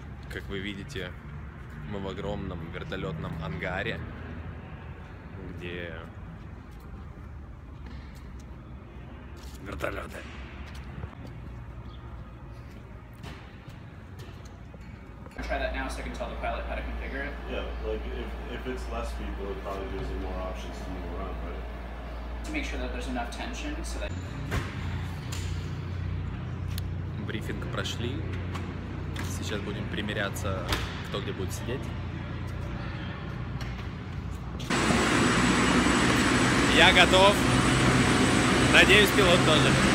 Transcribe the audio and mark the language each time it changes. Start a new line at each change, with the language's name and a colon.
Russian: Как вы видите, мы в огромном вертолетном ангаре, где вертолеты.
English: Try that now so I can tell the pilot how to configure it. Yeah, like if it's less people, it probably gives them more options to move around, right? To make sure that there's enough tension so that.
Russian: Брифинг прошли. Сейчас будем примеряться, кто где будет сидеть. Я готов. Надеюсь, пилот тоже.